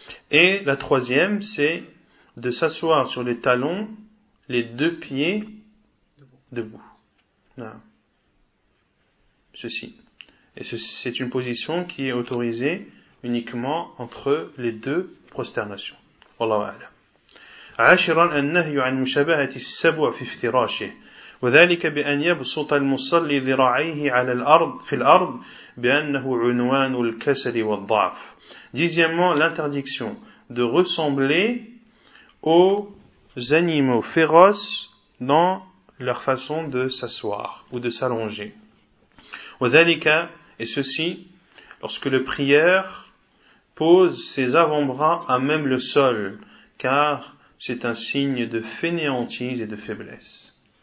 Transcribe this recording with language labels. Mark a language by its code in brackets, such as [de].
[fr] Et la troisième, c'est de s'asseoir sur les talons, les deux pieds debout. Voilà. Ceci. Et c'est une position qui est autorisée uniquement entre les deux prosternations. [ar] Wallahu a'lam. عاشرا النهي عن مشابهة السبع في افتراشه وذلك بأن يبسط المصلي ذراعيه على الأرض في الأرض بأنه عنوان الكسل والضعف. [fr] Dixièmement, l'interdiction de ressembler aux animaux féroces dans leur façon de s'asseoir ou de s'allonger. [ar] وذلك, [fr] et ceci lorsque le prieur pose ses avant-bras à même le sol, car c'est un signe de fainéantise et de faiblesse.